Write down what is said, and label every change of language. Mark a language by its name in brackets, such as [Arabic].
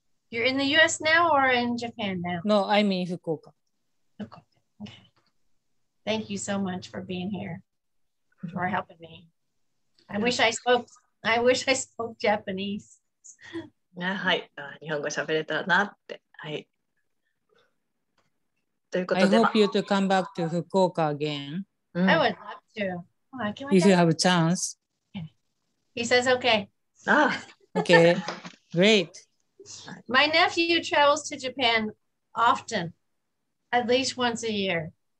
[English] You're in the U.S. now or in Japan now? No, I'm in Fukuoka. Fukuoka. Okay. Thank you so much for being here, for helping me. I wish I spoke Japanese. [Japanese] はい、日本語喋れたらなって、はい。ということで、 [English] I hope you to come back to Fukuoka again. I would love to. Oh, if you have a chance. He says okay. Ah, okay, great. My nephew travels to Japan often, at least once a year.